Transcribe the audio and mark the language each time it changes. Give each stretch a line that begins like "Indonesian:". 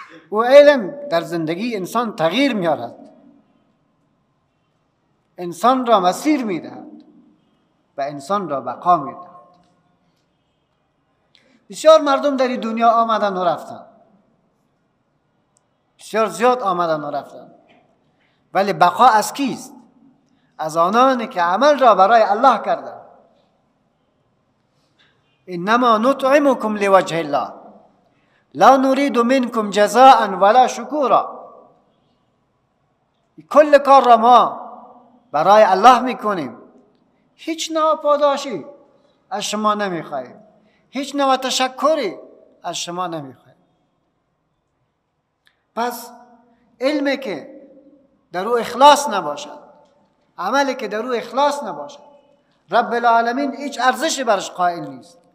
Persian: او علم در زندگی انسان تغییر میارد، انسان را مسیر میدهد و انسان را بقا میدهد. بسیار مردم در این دنیا آمدن و رفتن، بسیار زیاد آمدن و رفتن، ولی بقا از کیست؟ از آنانی که عمل را برای الله کردن.
Arabic: انما نطعمکم لوجه الله لا نريد منكم جزاء ولا شكورا.
Persian: كل کار را ما برای الله میکنیم، هیچ نوع پاداشی از شما نمیخواهیم، هیچ نوع تشکری از شما نمیخواهیم. پس علمی که در او اخلاص نباشد، عملی که در او اخلاص نباشد، رب العالمین هیچ ارزشی برش قائل نیست.